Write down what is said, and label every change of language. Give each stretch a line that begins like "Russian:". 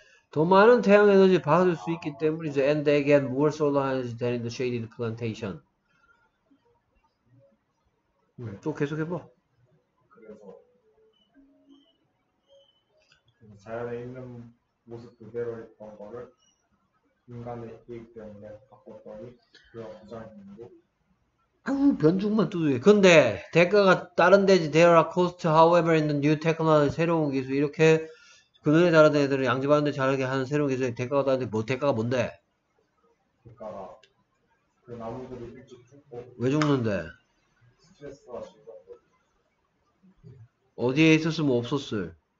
Korean: 더 많은 태양 에너지 받을 수 있기 때문이죠.
English: And they get more solar energy than in the shaded plantation.
Korean: 또 계속 해봐. 그래서 자연에 있는 모습 그대로 있던 거를 인간의 이익 때문에 바꿨더니 그와 부작용으로 변죽만 두드려. 근데 대가가 다른 데지.
English: There are costs, however, in the new technology,
Korean: 새로운 기술. 이렇게 그늘에 자란 애들을 양지바른데 자라게 하는 새로운 기술에 대가가 다른데, 뭐 대가가 뭔데? 가그 나무들이 일찍 죽고 왜 죽는데? 스트레스가 어디에 있었으면 없었을.